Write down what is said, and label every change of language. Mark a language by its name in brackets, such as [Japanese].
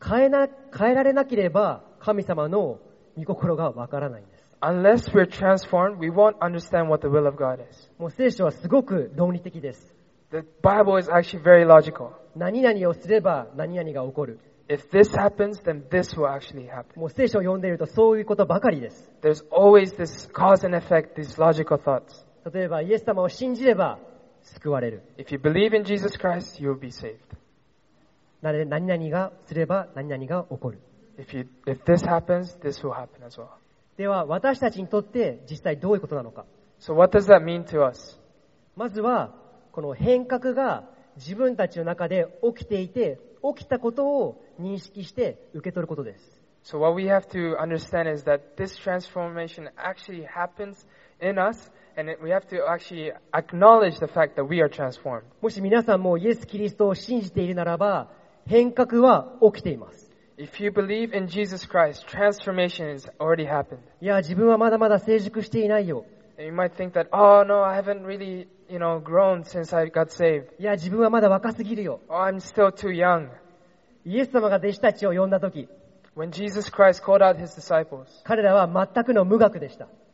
[Japanese] 変えられなければ、神様の御心がわからないんです。 [English] Unless we're transformed, we won't understand what the will of God is. [Japanese] もう聖書はすごく論理的です。 [English] The Bible is actually very logical. [Japanese] 何々をすれば何々が起こる。 [English] If this happens, then this will actually happen. [Japanese] もう聖書を読んでいるとそういうことばかりです。 [English] There's always this cause and effect, these logical thoughts. [Japanese] 例えば、イエス様を信じれば救われる。 [English] If you believe in Jesus Christ, you'll be saved. [Japanese] 何々がすれば何々が起こる。 [English] If this happens, this will happen as well. [Japanese] では、私たちにとって実際どういうことなのか。 [English] So what does that mean to us? [Japanese] まずは、この変革が自分たちの中で起きていて、起きたことを認識して受け取ることです。 [English] So what we have to understand is that this transformation actually happens in us, and we have to actually acknowledge the fact that we are transformed. [Japanese] もし皆さんもイエス・キリストを信じているならば、変革は起きています。 [English] If you believe in Jesus Christ, transformation has already happened. [Japanese] いや、自分はまだまだ成熟していないよ。 [English] And you might think that, oh no, I haven't really, you know, grown since I got saved. [Japanese] いや、自分はまだ若すぎるよ。 [English] Oh, I'm still too young. [Japanese] イエス様が弟子たちを呼んだとき、 [English] When Jesus Christ called out his disciples, [Japanese] 彼らは全くの無学でした。